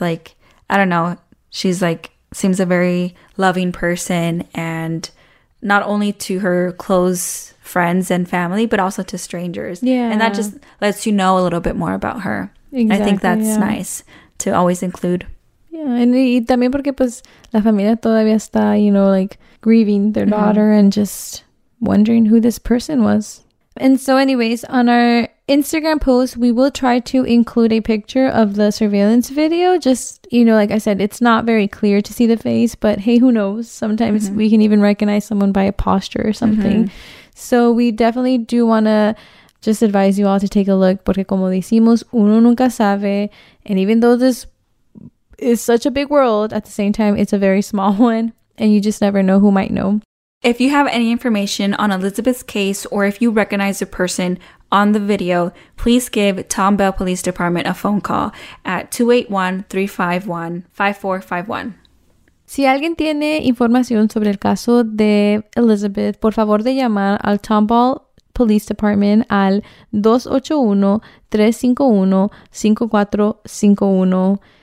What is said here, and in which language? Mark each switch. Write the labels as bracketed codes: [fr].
[en] Like, I don't know. She's like, seems a very loving person, and not only to her close friends and family, but also to strangers. Yeah. And that just lets you know a little bit more about her. Exactly, I think that's nice to always include. Yeah. And [es] también porque pues la familia todavía está, [en] you know, like grieving their daughter and just wondering who this person was. And so anyways, on our Instagram post, we will try to include a picture of the surveillance video. Just, you know, like I said, it's not very clear to see the face, but hey, who knows? Sometimes we can even recognize someone by a posture or something. So we definitely do want to just advise you all to take a look. [es] Porque como decimos, uno nunca sabe. [en] And even though this is such a big world, at the same time, it's a very small one. And you just never know who might know. If you have any information on Elizabeth's case, or if you recognize a person on the video, please give Tom Bell Police Department a phone call at 281-351-5451. [es] Si alguien tiene información sobre el caso de Elizabeth, por favor de llamar al Tom Bell Police Department al 281-351-5451.